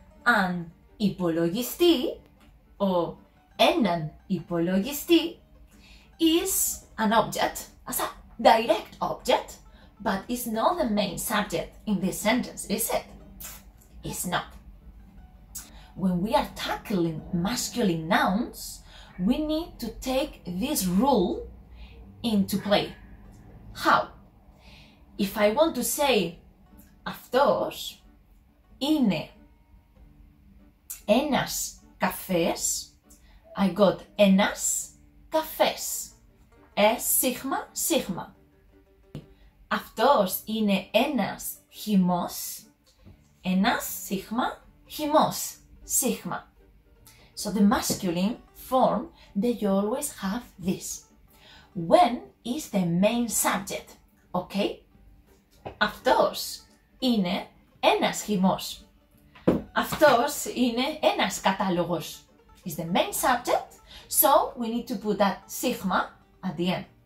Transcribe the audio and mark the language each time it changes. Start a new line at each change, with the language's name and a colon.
English: An υπολογιστή or
Greek: έναν υπολογιστή
English: is an object, as a direct object, but it's not the main subject in this sentence, is it? It's not. When we are tackling masculine nouns, we need to take this rule into play. How? If I want to say
Greek: αυτός είναι ένας καφές,
English: I got
Greek: ένας καφές. Ε, σίγμα, σίγμα. Αυτός είναι ένας χυμός. Ένας, σίγμα, χυμός, σίγμα.
English: So the masculine form, they always have this. When is the main subject, okay?
Greek: Αυτός είναι ένας χυμός. Αυτός είναι ένας κατάλογος.
English: Is the main subject, so we need to put that sigma at the end.